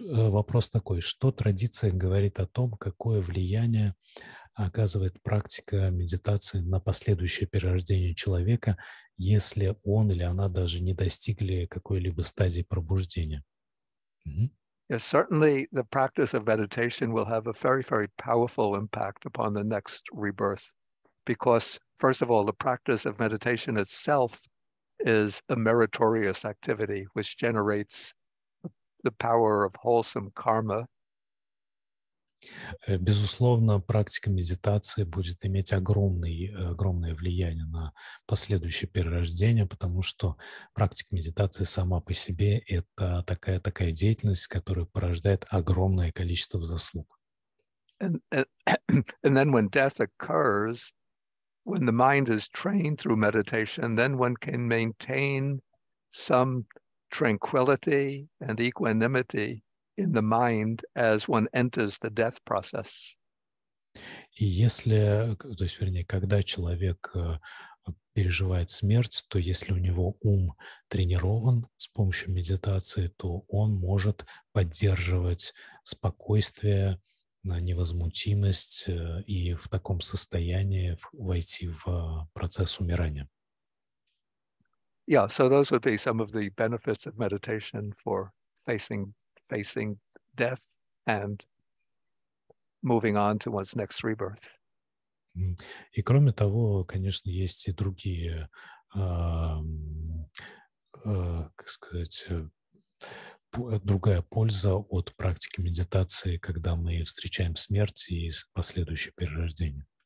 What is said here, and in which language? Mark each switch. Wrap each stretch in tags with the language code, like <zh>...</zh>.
<ru>Вопрос такой, что традиция говорит о том, какое влияние оказывает практика медитации на последующее перерождение человека, если он или она даже не достигли какой-либо стадии пробуждения?</ru> <en>Yes, certainly the practice of meditation will have a very, very powerful impact upon the next rebirth, because, first of all, the practice of meditation itself is a meritorious activity, which generates the power of wholesome karma.</en> <ru>Безусловно, практика медитации будет иметь огромное влияние на последующее перерождение, потому что практика медитации сама по себе — это такая деятельность, которая порождает огромное количество заслуг.</ru> <en>And then when death occurs, when the mind is trained through meditation, then one can maintain some tranquility and equanimity in the mind as one enters the death process.</en> <ru>И если, то есть, вернее, когда человек переживает смерть, то если у него ум тренирован с помощью медитации, то он может поддерживать спокойствие, на невозмутимость и в таком состоянии войти в процесс умирания.</ru> <en>Yeah, so those would be some of the benefits of meditation for facing death and moving on to one's next rebirth.</en> <ru>И кроме того, конечно, есть и другие, как сказать, другая польза от практики медитации, когда мы встречаем смерть и последующее перерождение.</ru>